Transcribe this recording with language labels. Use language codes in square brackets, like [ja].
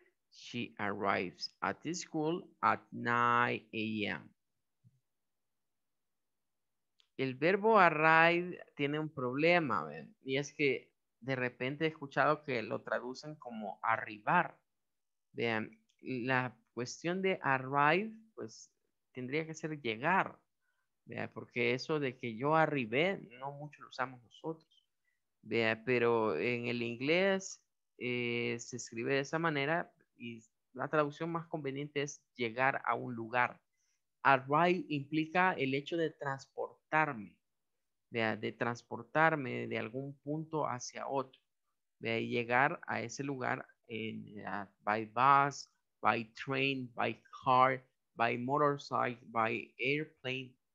[en] She arrives at the school at 9 a.m. [es] El verbo arrive tiene un problema, ¿ven? Y es que de repente he escuchado que lo traducen como arribar. Vean, la cuestión de arrive, pues, tendría que ser llegar. Vean, porque eso de que yo arribé, no mucho lo usamos nosotros. Vean, pero en el inglés se escribe de esa manera. Y la traducción más conveniente es llegar a un lugar. Arrive implica el hecho de transportarme. De transportarme de algún punto hacia otro. De llegar a ese lugar [en] by bus, by train, by car, by motorcycle, by airplane.